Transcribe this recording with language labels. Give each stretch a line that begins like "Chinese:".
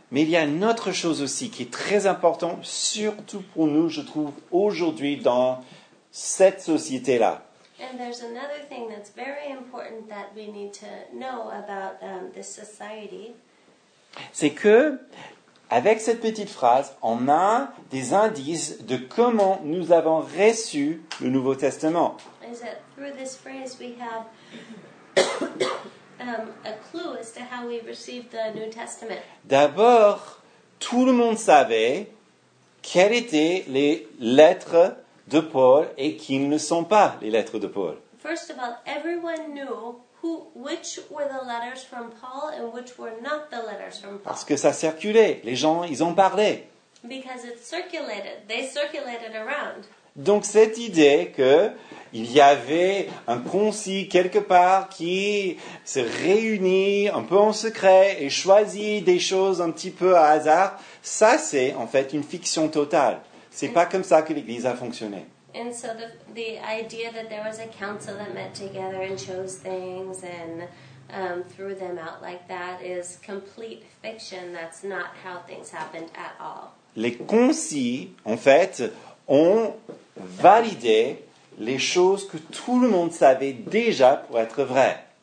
French: Mais il y a une autre chose aussi qui est très importante, surtout pour nous, je trouve, aujourd'hui dans cette société-là.
English: And there's another thing that's very important that we need to know about this society.
French: C'est que avec cette petite phrase, on a des indices de comment nous avons reçu le Nouveau Testament.
English: Is it through this phrase we have a clue as to how we received the New Testament?
French: D'abord, tout le monde savait quelles étaient les lettres de Paul et qui ne sont pas les lettres de Paul.
English: First of all, everyone knew which were the letters from Paul and which were not the letters from Paul.
French: Parce que ça circulait. Les gens, ils en parlaient.
English: Because it circulated. They circulated around.
French: Donc, cette idée qu'il y avait un concile quelque part qui se réunit un peu en secret et choisit des choses un petit peu à hasard, ça, c'est en fait une fiction totale. C'est pas comme ça que l'Église a fonctionné.
English: And so the idea that there was a council that met together and chose things and threw them out like that is complete fiction. That's not how things happened at all.
French: Les conciles, en fait, ont validé les choses que tout le monde savait déjà pour être vrai.